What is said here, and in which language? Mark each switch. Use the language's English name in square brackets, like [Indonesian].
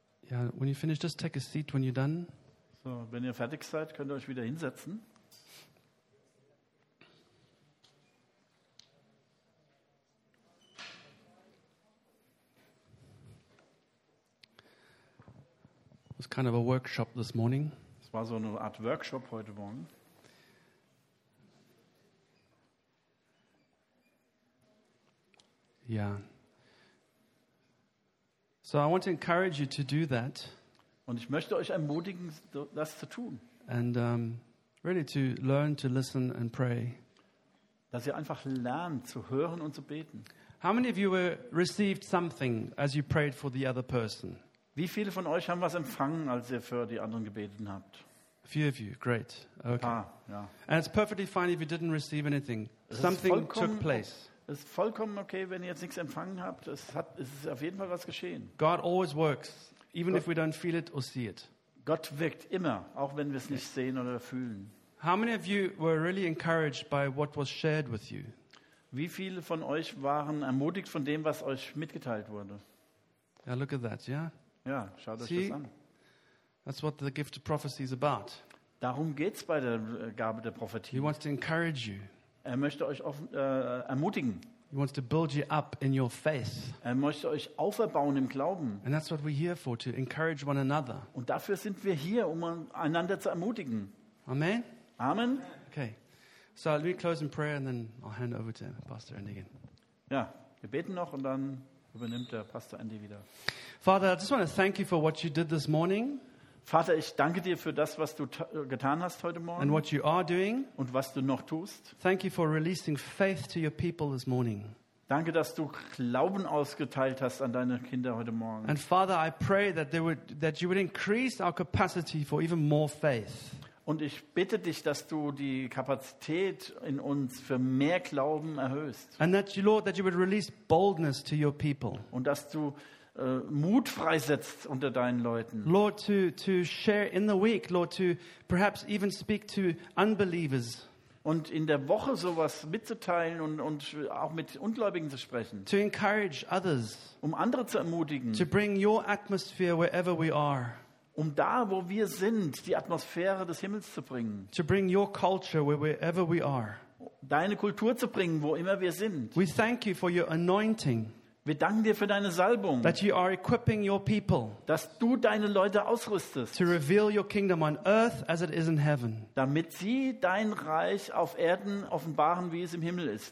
[English] Yeah, when you finish, just take a seat when you're done. [German] So, wenn ihr fertig seid, könnt ihr euch wieder hinsetzen. [English] It was kind of a workshop this morning. [German] Es war so eine Art Workshop heute Morgen. [English] Yeah. So I want to encourage you to do that. [German] Und ich möchte euch ermutigen, das zu tun. [English] And really to learn to listen and pray. [German] Dass ihr einfach lernt zu hören und zu beten. [English] How many of you received something as you prayed for the other person? [German] Wie viele von euch haben was empfangen, als ihr für die anderen gebeten habt? [English] Few of you, great. Okay. [German] Ah, ja. [English] And it's perfectly fine if you didn't receive anything. Something took place. [German] Es ist vollkommen okay, wenn ihr jetzt nichts empfangen habt. Es ist auf jeden Fall was geschehen. [English] God always works, even if we don't feel it or see it. [German] Gott wirkt immer, auch wenn wir es nicht sehen oder fühlen. [English] How many of you were really encouraged by what was shared with you? [German] Wie viele von euch waren ermutigt von dem, was euch mitgeteilt wurde? [English] Yeah, look at that, yeah? [German] Ja, schaut euch das an. [English] That's what the gift of prophecy is about. [German] Darum geht's bei der Gabe der Prophetie. [English] He wants to encourage you. [German] Er möchte euch ermutigen. [English] He wants to build you up in your faith. [German] Er möchte euch auferbauen im Glauben. [English] And that's what we're here for, to encourage one another. [German] Und dafür sind wir hier, um einander zu ermutigen. [English] Amen. [German] Amen. [English] Okay. So, let me close in prayer and then I'll hand over to Pastor Andy again. [German] Ja, wir beten noch und dann übernimmt der Pastor Andy wieder. [English] Father, I just want to thank you for what you did this morning. [German] Vater, ich danke dir für das, was du getan hast heute Morgen. [English] And what you are doing. [German] Und was du noch tust. [English] Thank you for releasing faith to your people this morning. [German] Danke, dass du Glauben ausgeteilt hast an deine Kinder heute Morgen. [English] And Father, I pray that there would that you would increase our capacity for even more faith. [German] Und ich bitte dich, dass du die Kapazität in uns für mehr Glauben erhöhst. [English] And that you, Lord, that you would release boldness to your people. [German] Und dass du Mut freisetzt unter deinen Leuten. [English] Lord, to share in the week, Lord, to perhaps even speak to unbelievers. [German] Und in der Woche sowas mitzuteilen und auch mit Ungläubigen zu sprechen. [English] To encourage others. [German] Um andere zu ermutigen. [English] To bring your atmosphere wherever we are. [German] Um da, wo wir sind, die Atmosphäre des Himmels zu bringen. [English] To bring your culture wherever we are. [German] Deine Kultur zu bringen, wo immer wir sind. [English] We thank you for your anointing. [German] Wir danken dir für deine Salbung. [English] That you are equipping your people. [German] Dass du deine Leute ausrüstest. [English] To reveal your kingdom on earth as it is in heaven. [German] Damit sie dein Reich auf Erden offenbaren, wie es im Himmel ist.